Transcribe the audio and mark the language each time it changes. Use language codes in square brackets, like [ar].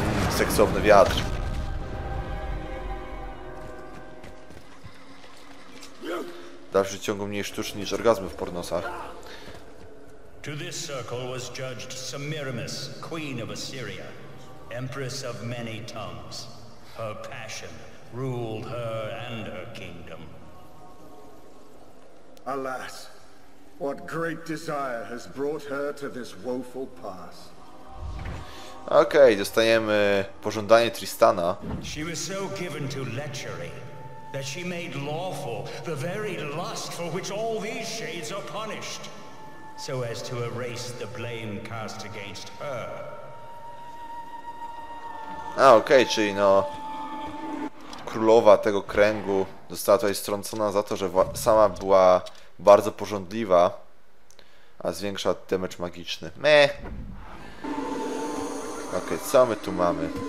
[pl] Seksowny wiatr. W dalszym ciągu mniej sztuczny niż orgazmy w pornosach. [en] To this circle was judged Semiramis, queen of Assyria, empress of many tongues. Her passion ruled her and her kingdom. Alas, what great desire has brought her to this woeful pass? [pl] Okej, dostajemy pożądanie Tristana. [en] She was so given to lechery that she made lawful the very lust for which all these shades are punished. So as to erase the blame cast against her. [pl] A, okej, czyli no... Królowa tego kręgu została tutaj strącona za to, że sama była bardzo pożądliwa, a zwiększa damage magiczny. Meh! Okej, co my tu mamy?